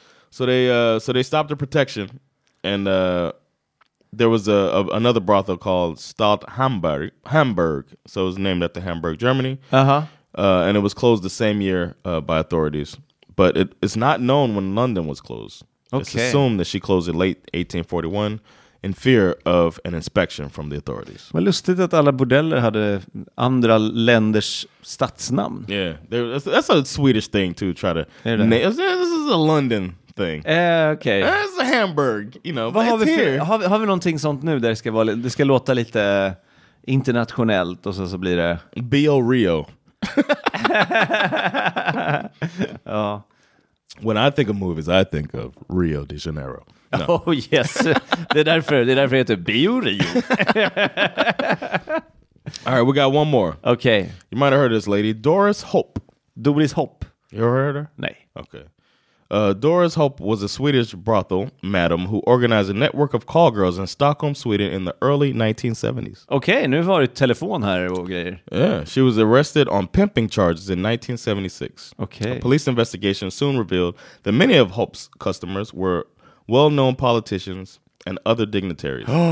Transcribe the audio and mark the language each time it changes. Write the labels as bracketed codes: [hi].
[en] So they stopped the protection, and there was another brothel called Stadt Hamburg. So it was named after Hamburg, Germany. Uh-huh. And it was closed the same year by authorities. But it's not known when London was closed. Okay. It's assumed that she closed in late 1841. In fear of an inspection from the authorities. [sv] Men lustigt att alla bordeller hade andra länders stadsnamn. [en] Yeah, that's a Swedish thing to try to... This is a London thing. Okay. It's a Hamburg, you know. [sv] Har vi någonting sånt nu där det ska låta lite internationellt och så blir det... B.O. Rio. Ja. [en] When I think of movies, I think of Rio de Janeiro. No. Oh yes, [sv] det är därför heter Bio Rio. [en] All right, we got one more. Okay. You might have heard this lady, Doris Hope. Doris Hope. You ever heard her? [sv] Nej. [en] Okay. Doris Hope was a Swedish brothel madam who organized a network of call girls in Stockholm, Sweden in the early 1970s. [sv] Okay, nu var det telefon här och grejer. [en] Yeah, she was arrested on pimping charges in 1976. Okay. A police investigation soon revealed that many of Hope's customers were well-known politicians, and other dignitaries.